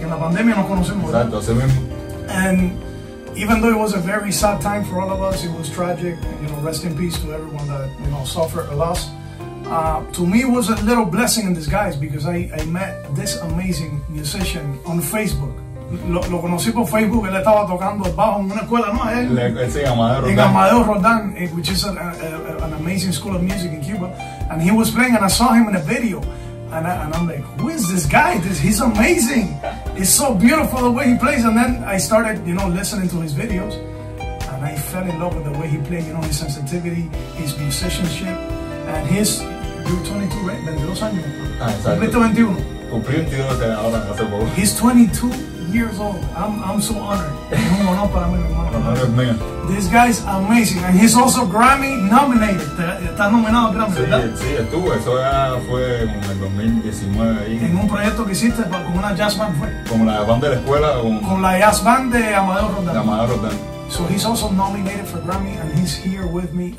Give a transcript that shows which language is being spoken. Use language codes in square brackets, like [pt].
[es] En la pandemia nos conocimos. Exacto, así mismo. [en] And even though it was a very sad time for all of us, it was tragic. You know, rest in peace to everyone that, you know, suffered a loss. To me, it was a little blessing in disguise because I met this amazing musician on Facebook. [es] Lo conocí por Facebook, él estaba tocando bajo en una escuela, ¿no? En [en] Amadeo Rodan, which is an amazing school of music in Cuba. And he was playing and I saw him in a video. And I'm like, who is this guy? He's amazing. It's so beautiful the way he plays. And then I started, you know, listening to his videos. And I fell in love with the way he played, you know, his sensitivity, his musicianship. And his, you're 22, right? [es] 22 años. Ah, exacto. Cumplí 21. Cumplí 21 ahora, hace poco. [en] He's 22 years old. I'm so honored. [es] Un honor para mí, mi hermano. [en] This guy's amazing. And he's also Grammy nominated. [es] Está nominado a Grammy, sí, ¿verdad? Sí, estuvo. Eso ya fue en el 2019 ahí. En un proyecto que hiciste con una jazz band, ¿fue? Como la banda de la escuela. Con la jazz band de Amadeo Rodan. De Amadeo Rodan. [en] So he's also nominated for Grammy and he's here with me.